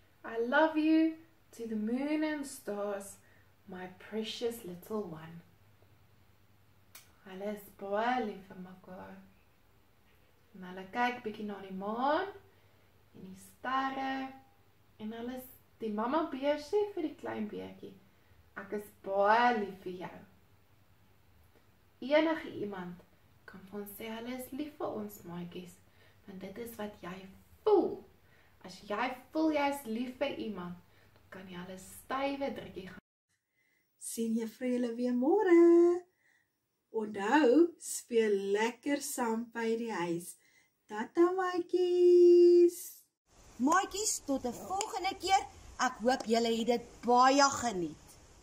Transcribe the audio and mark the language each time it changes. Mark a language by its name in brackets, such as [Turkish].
[English] I love you to the moon and stars, my precious little one. [Afrikaans] Hulle is baie lief vir mekaar. En hulle kyk bietjie na die maan en die sterre en hulle die mamma beer sê vir die klein beertjie, ek is baie lief vir jou. Enige iemand kan vir ons sê hulle is lief vir ons maatjies, want dit is wat jy voel. As jy voel jy is lief vir iemand, dan kan jy hulle stywe drukkie gaan. Sien jy vir julle weer môre. Onthou, speel lekker saam by die huis. Tata, maatjies! Maatjies, tot de volgende keer. Ek hoop julle het dit baie geniet.